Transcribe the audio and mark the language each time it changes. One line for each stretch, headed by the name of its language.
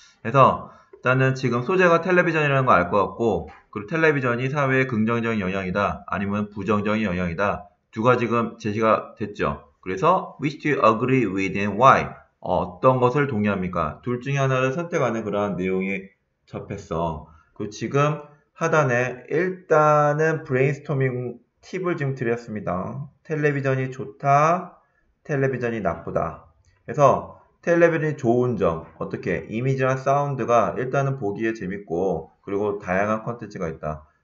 Korean: 그래서 일단은 지금 소재가 텔레비전이라는 거알것 같고, 그리고 텔레비전이 사회에 긍정적인 영향이다, 아니면 부정적인 영향이다, 두 가지가 제시가 됐죠. 그래서
English: which do you agree with and why?
Korean: 어떤 것을 동의합니까? 둘 중에 하나를 선택하는 그러한 내용이 접했어. 그 지금 하단에 일단은 브레인스토밍 팁을 지금 드렸습니다. 텔레비전이 좋다, 텔레비전이 나쁘다. 그래서 텔레비전이 좋은 점, 어떻게 이미지랑 사운드가 일단은 보기에 재밌고, 그리고 다양한 컨텐츠가 있다.